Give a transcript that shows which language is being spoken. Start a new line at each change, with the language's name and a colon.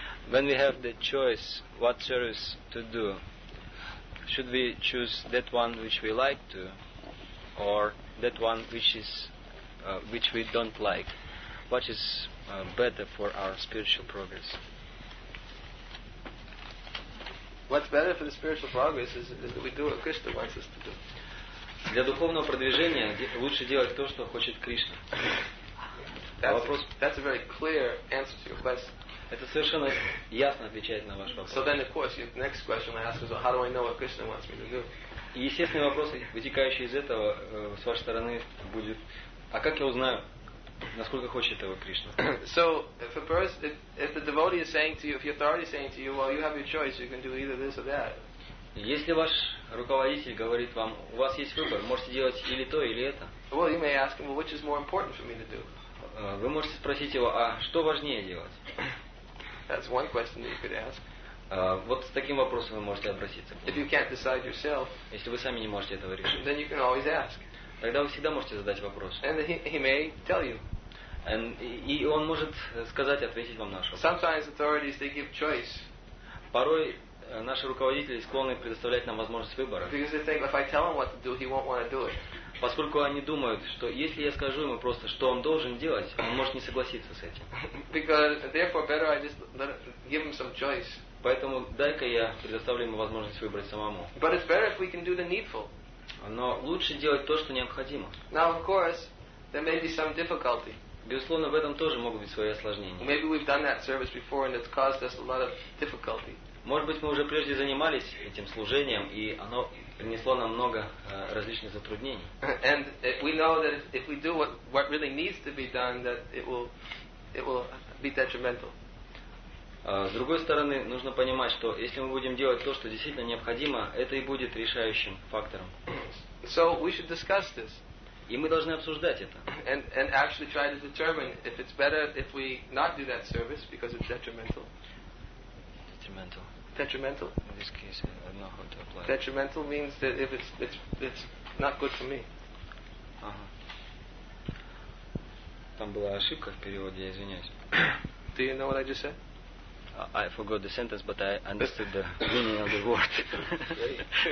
English: When we have the choice what service to do, should we choose that one which we like to, or that one which is which we don't like? What is better for our spiritual progress? What's better for the spiritual progress is that we do what Krishna wants us to do.
Russian: Для духовного продвижения лучше делать то, что хочет Кришна.
English: That's a very clear answer to your question.
Russian: Это совершенно ясно отвечает на ваш вопрос.
English: So then, of course, the next question I ask is, well, how do I know what Krishna wants me to do?
Russian: И естественный вопрос, вытекающий из этого с вашей стороны, будет: а как я узнаю, насколько хочет этого Кришна?
English: So, if a person, if the devotee is saying to you, if the authority is saying to you, well, you have your choice, you can do either this or that.
Russian: Если ваш руководитель говорит вам, у вас есть выбор, можете делать или то, или это.
English: Well, you may ask him, well, which is more important for me to do?
Russian: Вы можете спросить его, а что важнее делать?
English: That's one question that you could ask.
Russian: Вот с таким вопросом вы можете обратиться.
English: If you can't decide yourself,
Russian: если вы сами не можете этого решить,
English: then you can always ask.
Russian: Тогда вы всегда можете задать вопрос.
English: And he may tell you.
Russian: And, и он может сказать, ответить вам на ваш вопрос.
English: Sometimes authorities, they give choice.
Russian: Порой наши руководители склонны предоставлять нам возможность выбора.
English: Because they think if I tell him what to do, he won't want to do it.
Russian: Поскольку они думают, что если я скажу ему просто, что он должен делать, он может не согласиться с этим.
English: Because therefore better I just give him some choice.
Russian: Поэтому дай-ка я предоставлю ему возможность выбрать самому.
English: But it's better if we can do the needful.
Russian: Но лучше делать то, что необходимо.
English: Now of course there may be some difficulty.
Russian: Безусловно, в этом тоже могут быть свои осложнения.
English: Maybe we've done that service before and it's caused us a lot of difficulty.
Russian: Может быть, мы уже прежде занимались этим служением, и оно принесло нам много различных затруднений.
English: And we know that if we do what really needs to be done, that it will be detrimental.
Russian: С другой стороны, нужно понимать, что если мы будем делать то, что действительно необходимо, это и будет решающим фактором.
English: So we should discuss this.
Russian: И мы должны обсуждать это.
English: And actually try to determine if it's better if we not do that service because it's detrimental. Detrimental. In this case, I don't know how to apply. Detrimental means that if it's not good for me. Uh-huh.
Russian: Там была ошибка в переводе, я извиняюсь.
English: Do you know what I just said? I forgot the sentence, but I understood the meaning of the word.